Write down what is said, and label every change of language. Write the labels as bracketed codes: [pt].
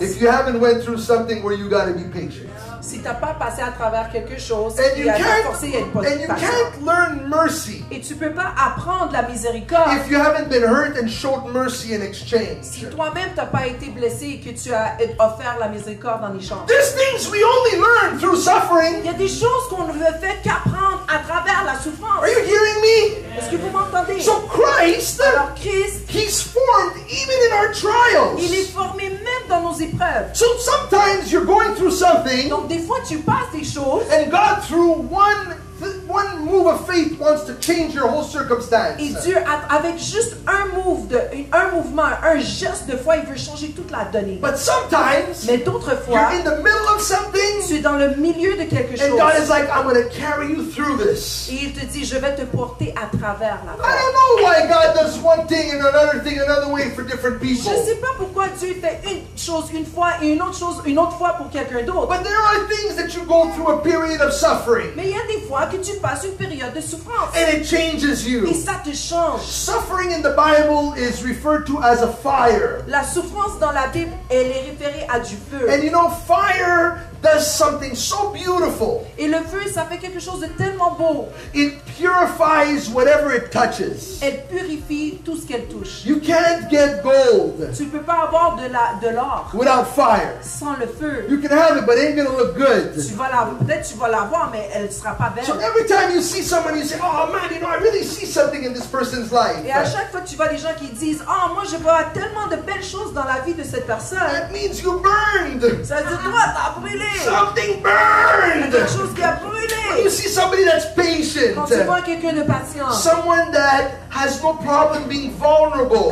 [en] If you haven't went through something where you got to be patient. [fr] Si t'as pas passé à travers quelque chose, [en] and you [fr] a [en] can't, [fr] forcé, [en] and you can't learn mercy. [fr] Et tu peux pas apprendre la miséricorde. [en] If you haven't been hurt and showed mercy in exchange. [fr] Si toi-même t'as pas été blessé et que tu as offert la miséricorde en échange. [en] There's things we only learn through suffering. [fr] Il y a des choses qu'on ne veut faire qu'apprendre à travers la souffrance. [en] Are you hearing me? [fr] Est-ce que vous m'entendez? [en] So Christ, [fr] alors Christ, [en] He's formed even in our trials. [fr] Il est formé même dans nos épreuves. [en] So sometimes you're going through something. [fr] Donc des fois tu passes des choses. [en] And God through one move of faith wants to change your whole circumstance. [fr] Et Dieu avec juste un geste de foi, il veut changer toute la donnée. [en] But sometimes, [fr] mais d'autres fois, [en] you're in the middle of something. [fr] Tu es dans le milieu de quelque chose. [en] And God is like, I'm going to carry you through this. [fr] Et il te dit, je vais te porter à travers la foi. [en] I don't know why God does one thing and another thing another way for different people. [fr] Je sais pas pourquoi Dieu fait une chose une fois et une autre chose une autre fois pour quelqu'un d'autre. [en] But there are things that you go through a period of suffering. [fr] Mais il y a des fois que tu passes une période de souffrance. [en] And it changes you. [fr] Et ça te change. [en] Suffering in the Bible is referred to as a fire. [fr] La souffrance dans la Bible, elle est référée à du feu. [en] And you know, fire does something so beautiful. [fr] Et le feu, ça fait quelque chose de tellement beau. [en] It purifies whatever it touches. [fr] Elle purifie tout ce qu'elle touche. [en] You can't get gold. [fr] Tu peux pas avoir de l'or. [en] Without fire. [fr] Sans le feu. [en] You can have it, but it ain't gonna look good. [fr] Peut-être tu vas l'avoir, mais elle sera pas belle. [en] So every time you see someone, you say, oh man, you know, I really see something in this person's life. [fr] Et à chaque fois, tu vois des gens qui disent, oh, moi, je vois tellement de belles choses dans la vie de cette personne. [en] That means you burned. [fr] Ça veut dire, toi, t'as brûlé. [en] Something burned. [fr] Quelque chose qui a brûlé. [en] When you see somebody that's patient. [fr] Quand tu vois quelqu'un de patient. [en] Someone that has no problem being vulnerable.